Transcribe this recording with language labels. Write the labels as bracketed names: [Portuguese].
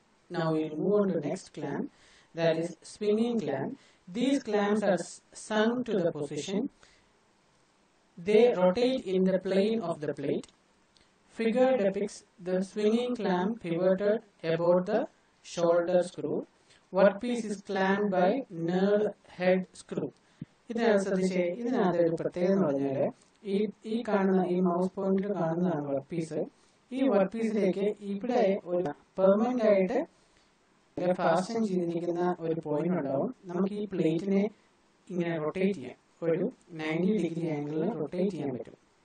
[English] Now will move on to next clamp, that is swimming clamp. These clamps are swung to the position, they rotate in the plane of the plate. Figure depicts the swimming clamp pivoted about the shoulder screw. Work piece is clamped by knurled head screw. [Malayalam] ഇതിനകത്ത് പ്രത്യേകത എന്ന് പറഞ്ഞാല് ഈ കാണുന്ന ഈ mouse പോയിന്റിൽ കാണുന്നതാണ് work piece. ഈ വർക്ക് പീസിലേക്ക് ഇവിടെ ഒരു പെർമനന്റ് ആയിട്ട് ഫാസ്റ്റൻ ചെയ്തിരിക്കുന്ന ഒരു പോയിന്റ് ഉണ്ടാവും. നമുക്ക് ഈ പ്ലേറ്റിനെ ഇങ്ങനെ റൊട്ടേറ്റ് ചെയ്യാം, ഒരു 90 degree ആംഗിളിൽ റൊട്ടേറ്റ് ചെയ്യാൻ പറ്റും.